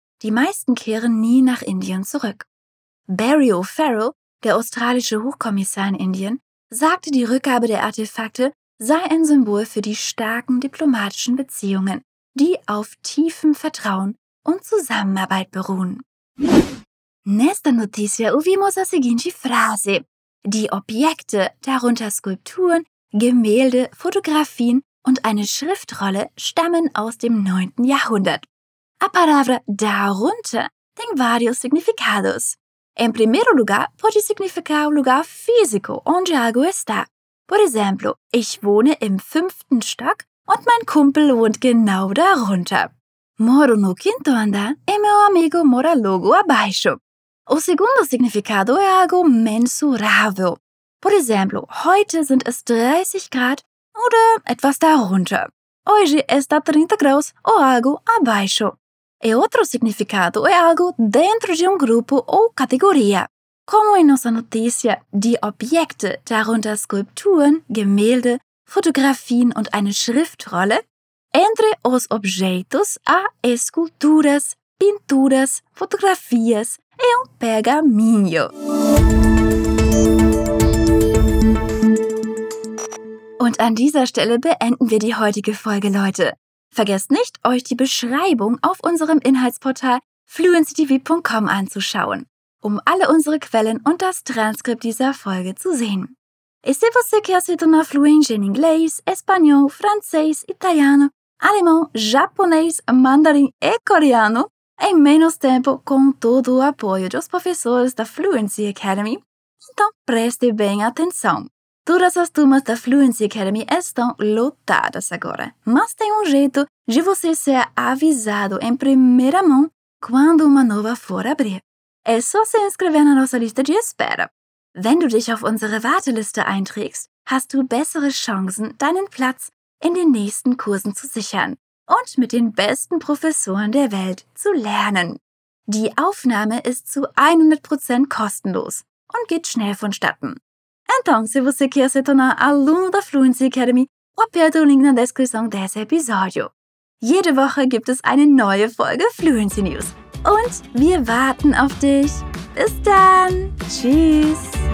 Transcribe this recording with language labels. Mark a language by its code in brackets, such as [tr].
[de] Die meisten kehren nie nach Indien zurück. Barry O'Farrell, der australische Hochkommissar in Indien, sagte, die Rückgabe der Artefakte sei ein Symbol für die starken diplomatischen Beziehungen, die auf tiefem Vertrauen und Zusammenarbeit beruhen. [pt] Nesta notizia uvimos a seguinte frase. [de] Die Objekte, darunter Skulpturen, Gemälde, Fotografien und eine Schriftrolle, stammen aus dem 9. Jahrhundert. [pt] A palavra darunter tem vários significados. En primeiro lugar, pode significar un lugar físico, onde algo está. [es] Por ejemplo, [de] ich wohne im 5. Stock und mein Kumpel wohnt genau darunter. [pt] Moro no quinto andar e meu amigo mora logo abaixo. O segundo significado é algo mensurável. Por exemplo, [de] heute sind es 30 Grad oder etwas darunter. [pt] Hoje está 30 graus ou algo abaixo. E outro significado é algo dentro de grupo ou categoria. Como em nossa notícia, [de] die Objekte, darunter Skulpturen, Gemälde, Fotografien und eine Schriftrolle, [pt] entre os objetos há esculturas, pinturas, fotografias e pergaminho. [de] Und an dieser Stelle beenden wir die heutige Folge, Leute. Vergesst nicht, euch die Beschreibung auf unserem Inhaltsportal fluencytv.com anzuschauen, um alle unsere Quellen und das Transkript dieser Folge zu sehen. [pt] E se você quer se tornar fluente em inglês, espanhol, francês, italiano, alemão, japonês, mandarim e coreano, em menos tempo, com todo o apoio dos professores da Fluency Academy, então preste bem atenção. Todas as turmas da Fluency Academy estão lotadas agora, mas tem jeito de você ser avisado em primeira mão quando uma nova for abrir. É só se inscrever na nossa lista de espera. [de] Wenn du dich auf unsere Warteliste einträgst, hast du bessere Chancen, deinen Platz in den nächsten Kursen zu sichern und mit den besten Professoren der Welt zu lernen. Die Aufnahme ist zu 100% kostenlos und geht schnell vonstatten. [pt] Então, se você quer se tornar aluno da Fluency Academy, aperte o link na descrição desse episódio. [de] Jede Woche gibt es eine neue Folge Fluency News. Und wir warten auf dich. Bis dann. Tschüss.